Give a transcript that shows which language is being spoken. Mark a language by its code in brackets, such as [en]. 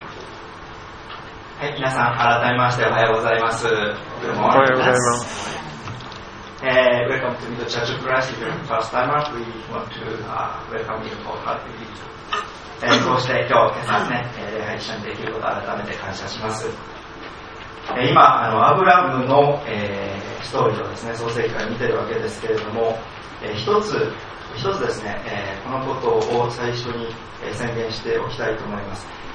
[ja] はい、皆さん改めましておはようございます。おはようございます。 [en] Welcome to the Church of Christ. If you're the first timer, we want to welcome you for heartily. [ja] こうして今日、今朝ですね、礼拝一緒にできることを改めて感謝します。今アブラムの、ストーリーをですね、創世記から見ているわけですけれども、一つですね、このことを最初に宣言しておきたいと思います。